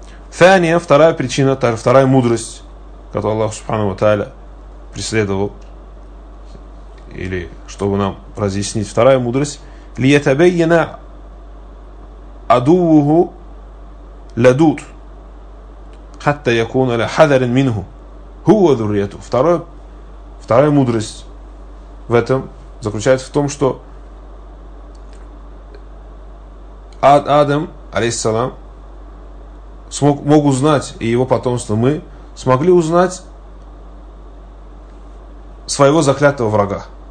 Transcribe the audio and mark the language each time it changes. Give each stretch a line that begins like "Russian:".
Russian: Фания, вторая причина, вторая мудрость, которую Аллах Субхану ва Тааля преследовал, или чтобы нам разъяснить, вторая мудрость:
Arabic: лиятабайяна адууху ладуд, حتى يكون على حذر منه هو ذريته.
Russian: Вторая мудрость в этом заключается в том, что Адам, алейхиссалам, мог узнать, и его потомство, мы смогли узнать своего заклятого врага.